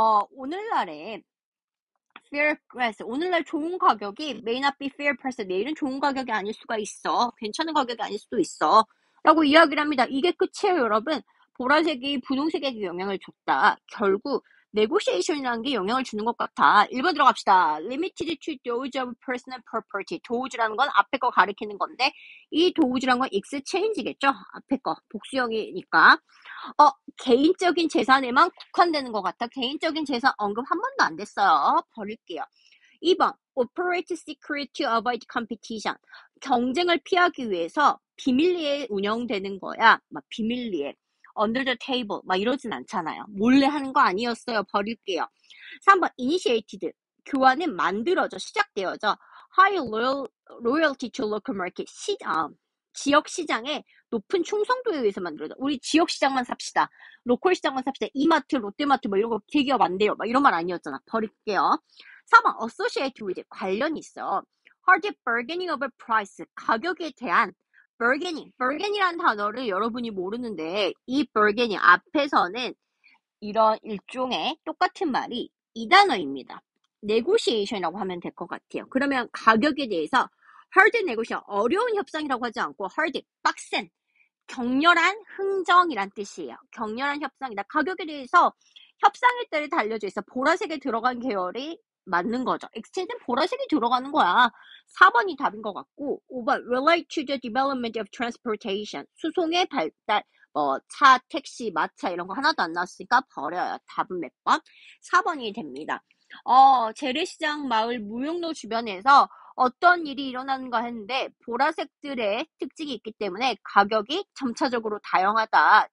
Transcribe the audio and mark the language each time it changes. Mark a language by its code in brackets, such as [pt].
[ko] 오늘날에 fair price, 오늘날 좋은 가격이 [en] may not be fair price, [ko] 내일은 좋은 가격이 아닐 수가 있어. 괜찮은 가격이 아닐 수도 있어. 라고 이야기를 합니다. 이게 끝이에요, 여러분. 보라색이 분홍색에게 영향을 줬다. 결국 네고시에이션이라는 게 영향을 주는 것 같아. 1번 들어갑시다. [en] Limited to those of personal property. [ko] 도우즈라는 건 앞에 거 가리키는 건데 이 도우즈라는 건 exchange겠죠? 앞에 거 복수형이니까. 개인적인 재산에만 국한되는 것 같아. 개인적인 재산 언급 한 번도 안 됐어요. 버릴게요. [en] 2번 Operate secret to avoid competition. [ko] 경쟁을 피하기 위해서 비밀리에 운영되는 거야. 막 비밀리에. [en] Under the table. [ko] 막 이러진 않잖아요. 몰래 하는 거 아니었어요. 버릴게요. 3번. Initiated. 교환은 만들어져. 시작되어져. [en] High loyalty to local market. [ko] 지역 시장에 높은 충성도에 의해서 만들어져. 우리 지역 시장만 삽시다. 로컬 시장만 삽시다. 이마트, 롯데마트 뭐 이런 거 대기업 안 돼요. 막 이런 말 아니었잖아. 버릴게요. 4번. [en] Associated with. [ko] 관련 있어. [en] Hard bargaining of a price. [ko] 가격에 대한 bargaining. bargaining이라는 단어를 여러분이 모르는데 이 bargaining 앞에서는 이런 일종의 똑같은 말이 이 단어입니다. negotiation이라고 하면 될 것 같아요. 그러면 가격에 대해서 hard negotiation, 어려운 협상이라고 하지 않고 hard, 빡센, 격렬한 흥정이란 뜻이에요. 격렬한 협상이다. 가격에 대해서 협상일 때를 달려져 있어. 보라색에 들어간 계열이 맞는 거죠. 엑스체인지는 보라색이 들어가는 거야. 4번이 답인 것 같고 [en] 5번 Relate to the development of transportation. [ko] 수송의 발달 차, 택시, 마차 이런 거 하나도 안 나왔으니까 버려요. 답은 몇 번? 4번이 됩니다. 재래시장 마을 무용로 주변에서 어떤 일이 일어나는가 했는데 보라색들의 특징이 있기 때문에 가격이 점차적으로 다양하다.